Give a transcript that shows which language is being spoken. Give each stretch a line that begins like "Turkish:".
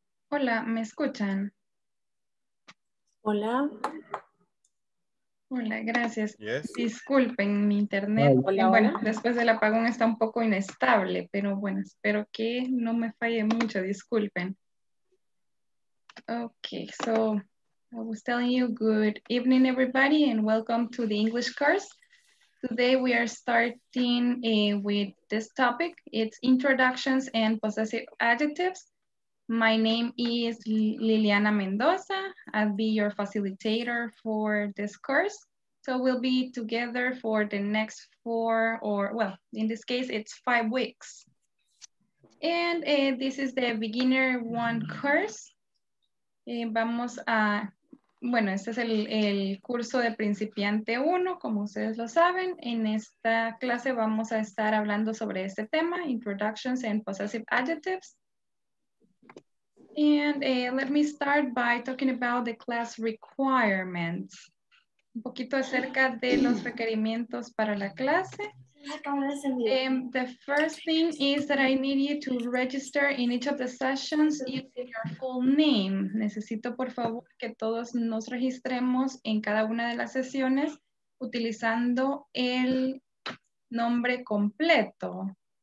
Spanish: Hola, ¿me escuchan? Hola. Hola, gracias.
English: Yes.
Spanish: Disculpen, mi internet. Hola, Bueno, hola. Después del apagón está un poco inestable, pero bueno, espero que no me falle mucho. Disculpen.
English: Okay, so I was telling you good evening, everybody, and welcome to the English course. Today we are starting with this topic. It's introductions and possessive adjectives. My name is Liliana Mendoza. I'll be your facilitator for this course. So we'll be together for the next four or, well, in this case, it's 5 weeks. And this is the beginner one course.
Spanish: Vamos a, bueno, este es el curso de principiante uno, como ustedes lo saben. En esta clase vamos a estar hablando sobre este tema,
English: introductions and possessive adjectives. And let me start by talking about the class requirements.
Spanish: Un poquito acerca de los requerimientos para la clase.
English: The first thing is that I need you to register in each of the sessions using your full name.
Spanish: Necesito, por favor, que todos nos registremos en cada una de las sesiones utilizando el nombre completo.